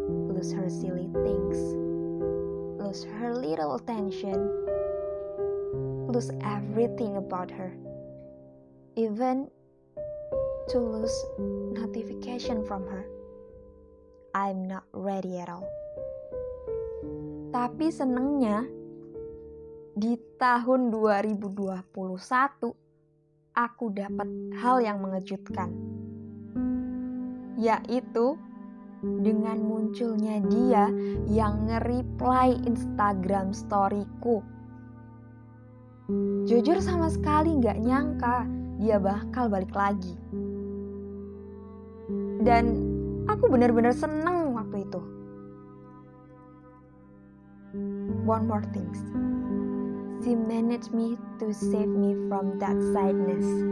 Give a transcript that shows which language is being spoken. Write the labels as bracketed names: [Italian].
[English] Lose her silly things, lose her little attention, lose everything about her. Even to lose notification from her, I'm not ready at all. [Indonesian] Tapi senengnya, di tahun 2021, aku dapat hal yang mengejutkan, yaitu dengan munculnya dia yang nge-reply Instagram story-ku. Jujur sama sekali gak nyangka dia bakal balik lagi. Dan aku benar-benar seneng waktu itu. [English] One more thing. She managed me to save me from that sadness.